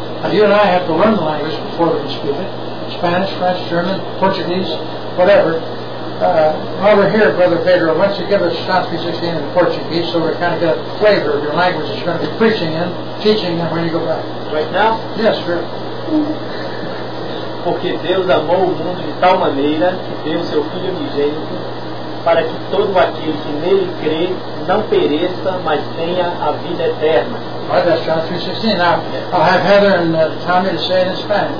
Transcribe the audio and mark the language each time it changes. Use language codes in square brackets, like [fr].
[en] Now you and I have to learn the language before we can speak it. Spanish, French, German, Portuguese, whatever. While we're here, Brother Pedro, why don't you give us John 3:16 in Portuguese so we kind of get a flavor of your language that you're going to be preaching in, teaching them when you go back. Right now? Yes, sir. [pt] Porque Deus amou o mundo de tal maneira que deu seu Filho unigênito para que todo aquele que nele crê não pereça, mas tenha a vida eterna. [en] Well, that's John 3:16. Now, I'll have Heather and Tommy to say it in Spanish.